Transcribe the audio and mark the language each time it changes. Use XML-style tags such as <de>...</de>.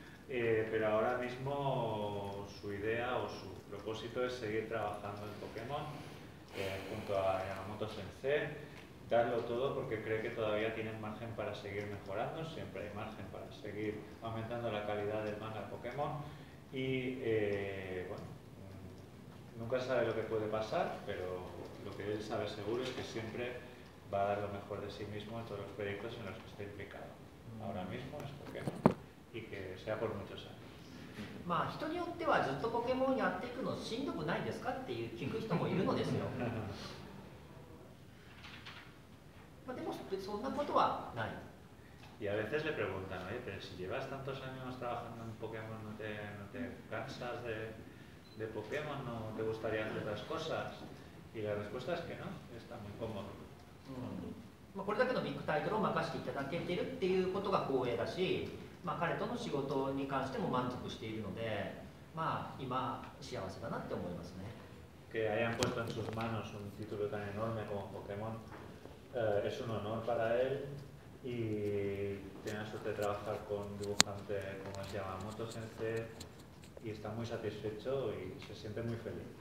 <es>Pero ahora mismo su idea o su propósito es seguir trabajando en Pokémon junto a Yamamoto Sensei, darlo todo porque cree que todavía tienen margen para seguir mejorando, siempre hay margen para seguir aumentando la calidad del manga Pokémon y bueno, nunca sabe lo que puede pasar, pero lo que él sabe seguro es que siempre va a dar lo mejor de sí mismo en todos los proyectos en los que esté implicado. Ahora mismo es Pokémon y que sea por muchos años.</es> <ja>まあ、人によってはずっとポケモンやっていくのしんどくないですかっていう聞く人もいるのですよ。まあ、でもそんなことはない。</ja> <es>Y a veces le preguntan, oye, pero si llevas tantos años trabajando en Pokémon, ¿no te cansas de Pokémon? ¿No te gustaría hacer otras cosas? Y la respuesta es que no, está muy cómodo.</es> <ja>まあ、これだけのビッグタイトルを任せていただけてるっていうことが光栄だし、</ja> <es>Que hayan puesto en sus manos un título tan enorme como Pokémon es un honor para él y tiene la suerte de trabajar con dibujante como se llama Yamamoto Sensei y está muy satisfecho y se siente muy feliz.</es>